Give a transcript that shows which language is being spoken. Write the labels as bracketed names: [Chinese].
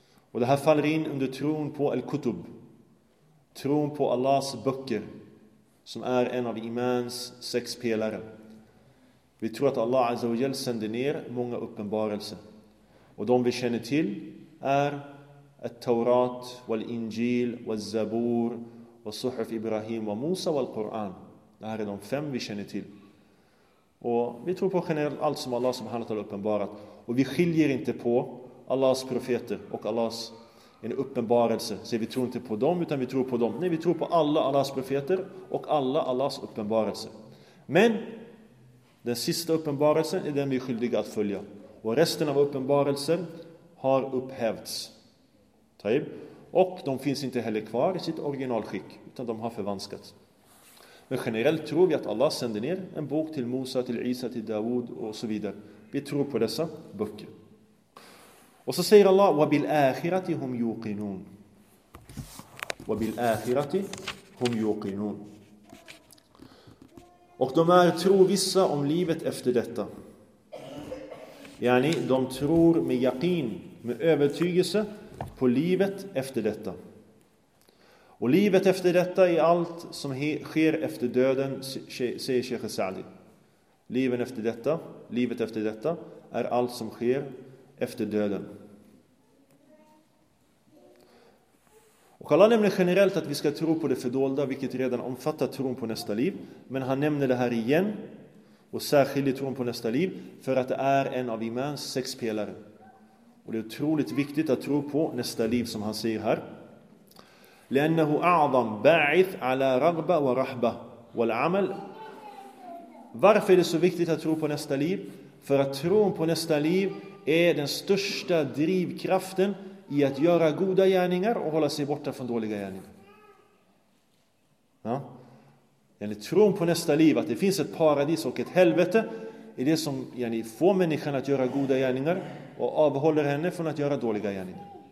[Swedish] Och det här faller in under tron på Al-Kutub. Tron på Allahs böcker. Som är en av imans sex pelare. Vi tror att Allah Azza wa Jalla sänder ner många uppenbarelser. Och de vi känner till är [Arabic] التورات والإنجيل والزبور وصحف إبراهيم وموسى والقرآن. [Swedish] Det här är de fem vi känner till. Och vi tror på generellt allt som Allah subhanahu wa ta'ala uppenbarat. Och vi skiljer inte på Allahs profeter och Allahs en uppenbarelse. Så vi tror inte på dem utan vi tror på dem. Nej, vi tror på alla Allahs profeter och alla Allahs uppenbarelse. Men den sista uppenbarelsen är den vi är skyldiga att följa. Och resten av uppenbarelsen har upphävts. Och de finns inte heller kvar i sitt originalskick utan de har förvanskats. Men generellt tror vi att Allah sänder ner en bok till Musa, till Isa, till Dawud och så vidare. Vi tror på dessa böcker. Och så säger Allah, [Arabic] وَبِلْ آخِرَةِ هُمْ يُوقِنُونَ وَبِلْ آخِرَةِ هُمْ يُوقِنُونَ. [Swedish] Och de är trovissa om livet efter detta. Yani, de tror med yaqin, med övertygelse på livet efter detta. Och livet efter detta är allt som sker efter döden, säger Sheikh Sa'di. Livet efter detta är allt som sker efter döden. Och Allah nämner generellt att vi ska tro på det fördolda, vilket redan omfattar tron på nästa liv. Men han nämner det här igen, och särskilt tron på nästa liv, för att det är en av imans sex pelare. Och det är otroligt viktigt att tro på nästa liv, som han säger här. [Arabic] لأنه أعظم باعث على رغبة ورحبة والعمل. [Swedish] Varför är det så viktigt att tro på nästa liv? För att tron på nästa liv är den största drivkraften i att göra goda gärningar och hålla sig borta från dåliga gärningar. Eller tron på nästa liv, att det finns ett paradis och ett helvete, är det som får människan att göra goda gärningar och avhåller henne från att göra dåliga gärningar.